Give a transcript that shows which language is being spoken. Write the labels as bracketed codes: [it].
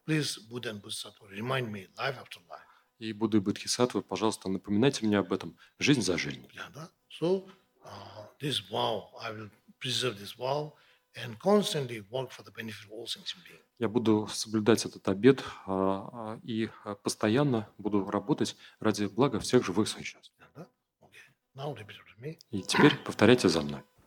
[en] Please, Buddha and Bodhisattva, remind me life after life. [ru] И Будды и Бодхисаттвы, пожалуйста, напоминайте мне об этом жизнь за жизнь. [en] Yeah, [ru] да? [en] So this vow, I will preserve this vow and constantly work for the benefit of all sentient beings. [ru] Я буду соблюдать этот обет и постоянно буду работать ради блага всех живых существ. [en] Yeah, [ru] да? [en] Okay. Now repeat after me. [ru] И теперь повторяйте за мной.